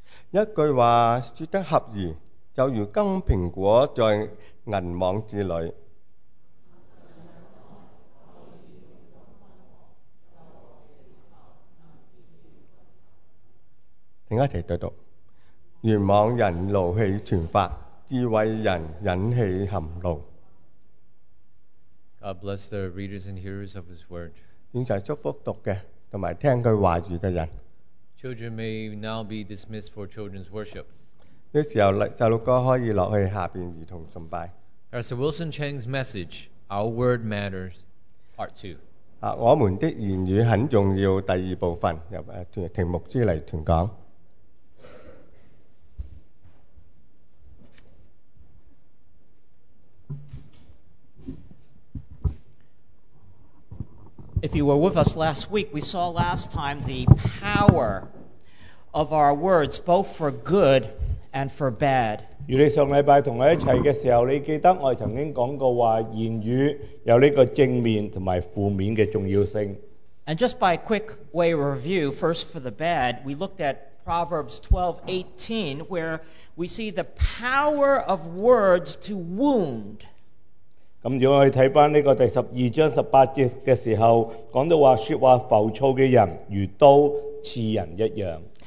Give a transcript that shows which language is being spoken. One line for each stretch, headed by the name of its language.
Cantonese: 一句话说得合宜，就如金苹果在银网之里。请一起读读。愚妄人怒气全发，智慧人忍气含怒。
English: God bless the readers and hearers of His word.
Cantonese: 愿神祝福读嘅同埋听佢话语嘅人。
English: Children may now be dismissed for children's worship.
Cantonese: 呢时候，细路哥可以落去下边儿童崇拜。
English: As Wilson Chang's message, Our Word Matters, Part 2.
Cantonese: 我们的言语很重要，第二部分由田牧师嚟传讲。
English: If you were with us last week, we saw last time the power of our words, both for good and for bad.
Cantonese: 如你上礼拜同我一起的时候，你记得我曾经讲过话，言语有这个正面和负面的重要性。
English: And just by a quick way of review, first for the bad, we looked at Proverbs 12:18, where we see the power of words to wound.
Cantonese: 咁如果我哋睇翻呢个第十二章十八节嘅时候，讲到话说话浮躁嘅人如刀刺人一样。